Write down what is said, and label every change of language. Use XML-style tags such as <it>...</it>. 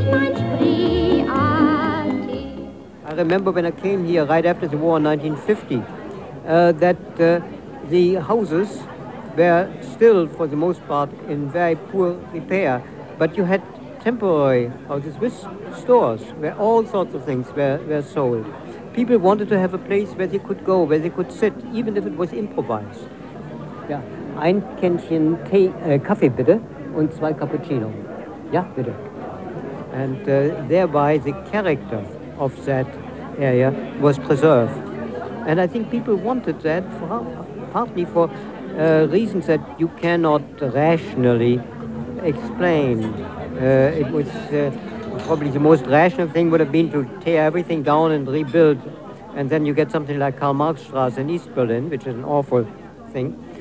<en>I remember when I came here right after the war in 1950 that the houses were still for the most part in very poor repair, but you had temporary houses with stores where all sorts of things were sold. People wanted to have a place where they could go, where they could sit, even if it was improvised. Yeah.</en> <de>Ein Kännchen Tee, Kaffee bitte, und zwei Cappuccino. Ja, bitte.</de> <en>And thereby the character of that area was preserved. And I think people wanted that partly for reasons that you cannot rationally explain. It was probably the most rational thing would have been to tear everything down and rebuild, and then you get something like Karl Marx Straße in East Berlin, which is an awful thing.</en>